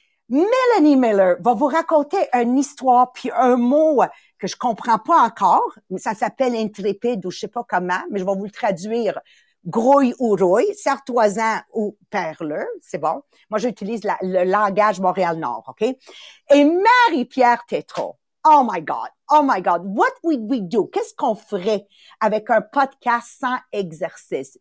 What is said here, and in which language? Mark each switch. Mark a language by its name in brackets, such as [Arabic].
[French] Melanie Miller va vous raconter une histoire puis un mot que je comprends pas encore, mais ça s'appelle intrépide ou je sais pas comment, mais je vais vous le traduire. Grouille ou rouille, sartoisan ou perleux, c'est bon. Moi, j'utilise le langage Montréal-Nord, OK? [English] Et Marie-Pierre Tétrault, oh my God, what would we do? [French] Qu'est-ce qu'on ferait avec un podcast sans exercice?